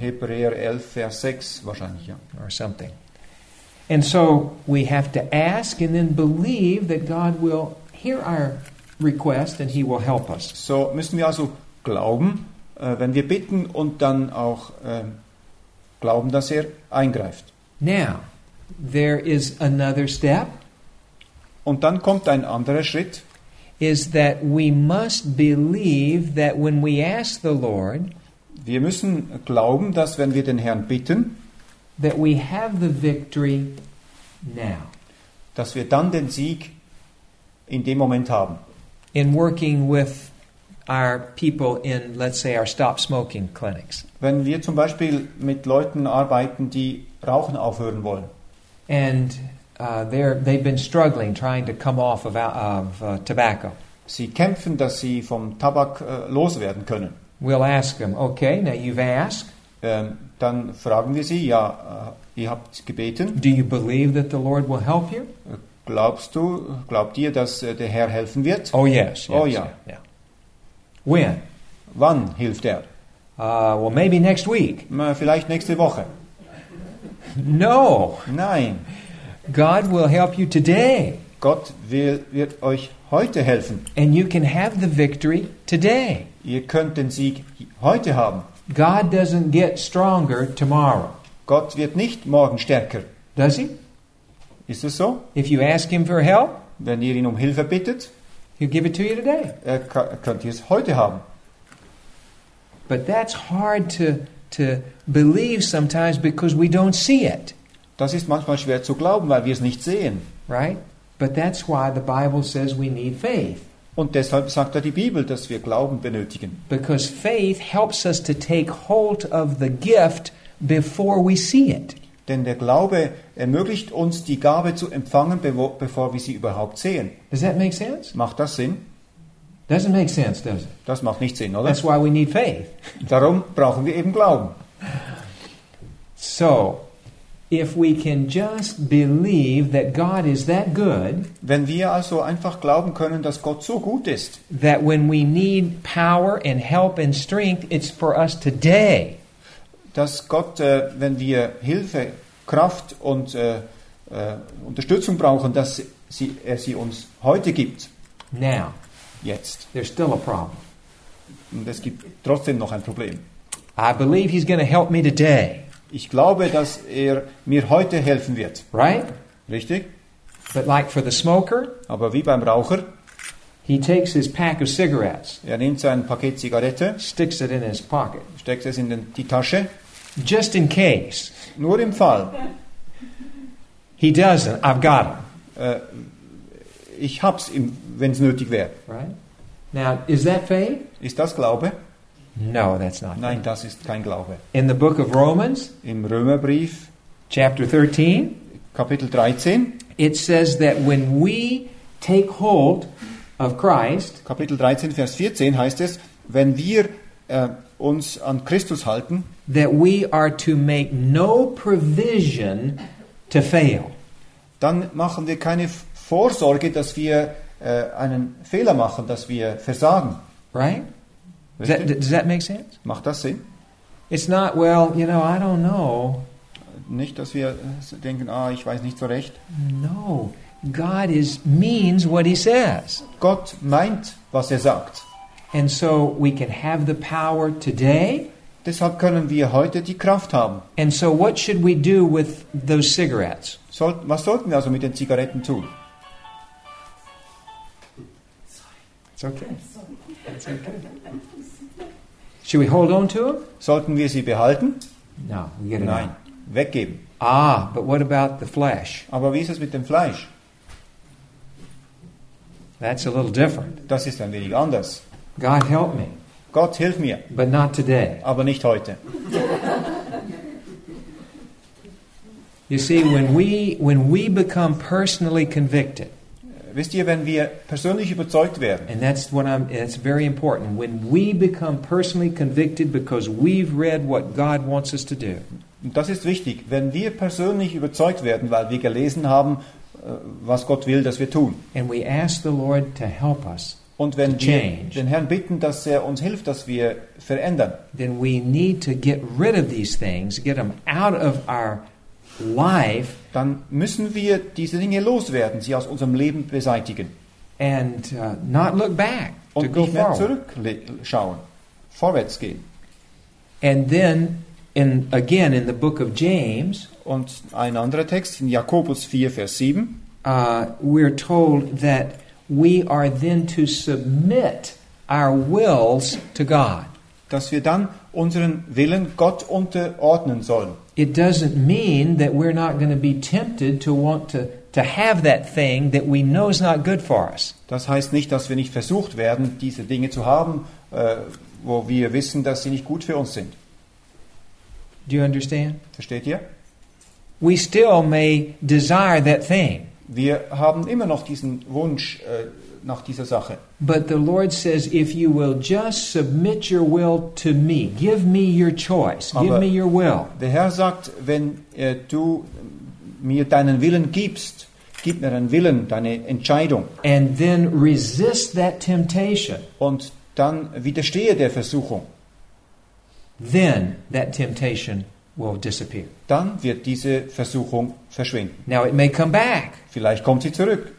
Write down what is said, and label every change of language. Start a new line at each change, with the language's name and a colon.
German: Hebräer 11, Vers 6, wahrscheinlich, ja.
English: Or something. And so we have to ask and then believe that God will hear our request and he will help us.
German: So müssen wir also glauben, wenn wir bitten und dann auch glauben, dass er eingreift.
English: Now, there is another step.
German: Und dann kommt ein anderer Schritt.
English: Is that we must believe that when we ask the Lord,
German: wir müssen glauben, dass wenn wir den Herrn bitten,
English: that we have the victory now.
German: Dass wir dann den Sieg in dem Moment haben.
English: In working with our people in, let's say, our stop smoking clinics.
German: Wenn wir zum Beispiel mit Leuten arbeiten, die Rauchen aufhören wollen.
English: And they've been struggling trying to come off of tobacco.
German: Sie kämpfen, dass sie vom Tabak loswerden können.
English: We'll ask them, okay, now you've asked.
German: Dann fragen wir sie, ja, ihr habt gebeten.
English: Do you believe that the Lord will help you?
German: Glaubt ihr, dass der Herr helfen wird?
English: Oh, yes. Oh, yes,
German: ja.
English: Yeah. When?
German: Wann hilft er?
English: Well, maybe next week.
German: Vielleicht nächste Woche.
English: No.
German: Nein.
English: God will help you today.
German: Gott wird euch heute helfen.
English: And you can have the victory today.
German: Ihr könnt den Sieg heute haben.
English: God doesn't get stronger tomorrow.
German: Gott wird nicht morgen stärker.
English: Does he?
German: Ist es so?
English: If you ask him for help,
German: wenn ihr ihn um Hilfe bittet,
English: he'll give it to you today.
German: Könnt ihr es heute haben.
English: But that's hard to believe sometimes because we don't see it.
German: Das ist manchmal schwer zu glauben, weil wir es nicht sehen.
English: Right? But that's why the Bible says we need faith.
German: Und deshalb sagt ja die Bibel, dass wir Glauben benötigen.
English: Because faith helps us to take hold of the gift before we see it.
German: Denn der Glaube ermöglicht uns, die Gabe zu empfangen, bevor wir sie überhaupt sehen.
English: Does that make sense?
German: Macht das Sinn?
English: Doesn't make sense, does it?
German: Das macht nicht Sinn, oder?
English: That's why we need faith.
German: Darum brauchen wir eben Glauben.
English: So, if we can just believe that God is that good,
German: wenn wir also einfach glauben können, dass Gott so gut ist,
English: that when we need power and help and strength, it's for us today.
German: Dass Gott, wenn wir Hilfe, Kraft und Unterstützung brauchen, dass er sie uns heute gibt.
English: Now,
German: jetzt.
English: There's still a problem.
German: Und es gibt trotzdem noch ein Problem.
English: I believe he's going to help me today.
German: Ich glaube, dass er mir heute helfen wird.
English: Right?
German: Richtig?
English: But like for the smoker,
German: aber wie beim Raucher,
English: he takes his pack of cigarettes.
German: Er nimmt sein Paket Zigarette,
English: sticks it in his pocket.
German: Steckt es in die Tasche.
English: Just in case.
German: Nur im Fall.
English: He doesn't. I've got him.
German: Ich hab's, wenn es nötig wäre.
English: Right? Now, is that faith?
German: Ist das Glaube?
English: No, that's not.
German: Nein, das ist kein Glaube.
English: In the book of Romans,
German: im Römerbrief,
English: chapter 13,
German: Kapitel 13,
English: it says that when we take hold of Christ,
German: Kapitel 13, Vers 14 heißt es, wenn wir uns an Christus halten,
English: that we are to make no provision to fail.
German: Dann machen wir keine Vorsorge, dass wir einen Fehler machen, dass wir versagen.
English: Right? Does that make sense?
German: Macht das Sinn?
English: It's not, well, you know, I don't know.
German: Nicht, dass wir denken, ah, ich weiß nicht so recht.
English: No. God is means what he says.
German: Gott meint, was er sagt.
English: And so we can have the power today.
German: Deshalb können wir heute die Kraft haben.
English: And so what should we do with those cigarettes?
German: Was sollten wir also mit den Zigaretten tun?
English: It's okay. It's okay. Should we hold on to them?
German: Sollten wir sie behalten?
English: No, we get it.
German: Nein, weggeben.
English: Ah, but what about the flesh?
German: Aber wie ist es mit dem Fleisch?
English: That's a little different.
German: Das ist ein wenig anders.
English: God help me.
German: Gott hilf mir.
English: But not today.
German: Aber nicht heute.
English: You see, when we become personally convicted.
German: Wisst ihr, wenn wir persönlich überzeugt werden.
English: And that's very important. When we become personally convicted because we've read what God wants us to do.
German: Das ist wichtig, wenn wir persönlich überzeugt werden, weil wir gelesen haben, was Gott will, dass wir tun.
English: And we ask the Lord to help us.
German: Und wenn wir den Herrn bitten, dass er uns hilft, dass wir verändern.
English: Then we need to get rid of these things, get them out of our life.
German: Dann müssen wir diese Dinge loswerden, sie aus unserem Leben beseitigen.
English: And not look back.
German: Und nicht mehr zurückschauen, vorwärts gehen.
English: And then again in the book of James.
German: Und ein anderer Text in Jakobus 4, Vers 7.
English: We're told that we are then to submit our wills to God.
German: Dass wir dann unseren Willen Gott unterordnen sollen.
English: It doesn't mean that we're not going to be tempted to want to have that thing that we know is not good for us.
German: Das heißt nicht, dass wir nicht versucht werden, diese Dinge zu haben, wo wir wissen, dass sie nicht gut für uns sind.
English: Do you understand?
German: Versteht ihr?
English: We still may desire that thing.
German: Wir haben immer noch diesen Wunsch nach dieser Sache.
English: But the Lord says, if you will just submit your will to me, give me your choice,
German: aber
English: give me your will.
German: Der Herr sagt, wenn du mir deinen Willen gibst, gib mir deinen Willen, deine Entscheidung.
English: And then resist that temptation.
German: Und dann widerstehe der Versuchung.
English: Then that temptation will disappear.
German: Dann wird diese Versuchung verschwinden.
English: Now it may come back.
German: Vielleicht kommt sie zurück.